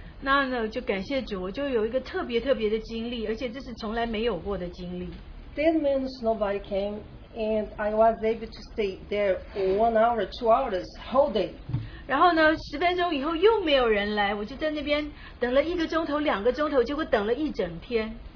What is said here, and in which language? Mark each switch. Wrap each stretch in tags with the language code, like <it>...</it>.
<zh>那呢，就感谢主，我就有一个特别特别的经历，而且这是从来没有过的经历。10</zh> <en>minutes nobody came, and I was able to stay there 1 hour, 2 hours, whole day.</en> <zh>然后呢，10分钟以后又没有人来，我就在那边等了1个钟头、2个钟头，结果等了一整天。</zh>